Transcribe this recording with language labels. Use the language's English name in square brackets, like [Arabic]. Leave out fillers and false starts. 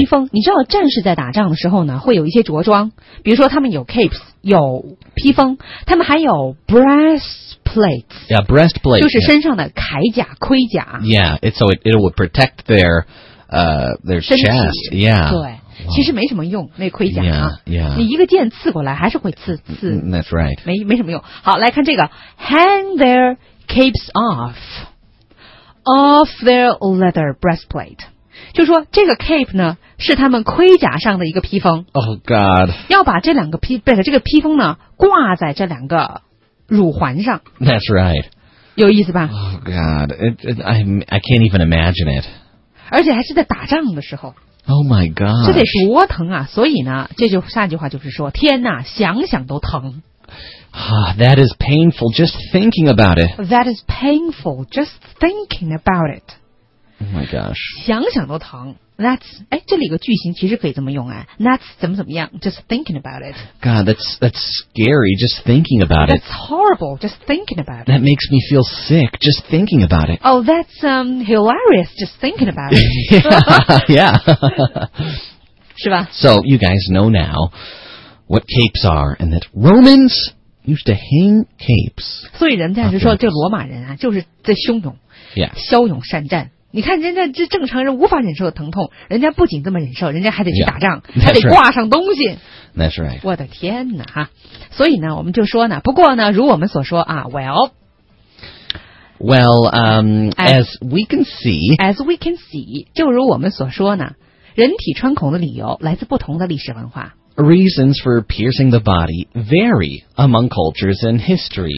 [Chinese] 披风。你知道战士在打仗的时候呢，会有一些着装，比如说他们有 capes， 有披风，他们还有 breastplates。 [English] Yeah, breastplate. [Chinese] 就是身上的铠甲、 [English] yeah. [Chinese] 盔甲。 [English] Yeah, it so it would protect their chest. Yeah. [Chinese] 对。其实没什么用，那盔甲啊， [English] yeah, yeah. [Chinese] 你一个箭刺过来还是会刺。 [English] That's right. [Chinese] 没什么用。好，来看这个 [English] ，hang their capes off their leather breastplate. [Chinese] 就说这个 cape 呢，是他们盔甲上的一个披风。 [English] Oh God! [Chinese] 要把这两个披风呢挂在这两个乳环上。 [English] That's right. [Chinese] 有意思吧 [English] ？Oh God! I can't even imagine it. [Chinese] 而且还是在打仗的时候。 [English] Oh my God! [Chinese] 这得多疼啊！所以呢，这就下一句话就是说，天哪，想想都疼。 [English] That is painful just thinking about it. That is painful just thinking about it. Oh my gosh. [Chinese] 想想都疼。That's, 哎，这里有个句型其实可以这么用啊。 [English] That's [Chinese] 怎么怎么样 [English] just thinking about it. God, that's scary just thinking about it. That's horrible just thinking about it. That makes me feel sick just thinking about it. Oh, that's hilarious just thinking about it. yeah. [Chinese] 是吧 [English] So you guys know now what capes are and that Romans... used to hang capes. [Chinese] 所以人家就说这罗马人啊就是这汹涌、 [English] yeah. [Chinese] 骁勇善战。你看人家这正常人无法忍受的疼痛人家不仅这么忍受人家还得去打仗、 [English] yeah. [Chinese] 还得挂上东西。 [English] That's right. [Chinese] 我的天哪哈。所以呢我们就说呢不过呢如我们所说啊 well, [English] as we can see, [Chinese] 就如我们所说呢人体穿孔的理由来自不同的历史文化。 [English] Reasons for piercing the body vary among cultures and history.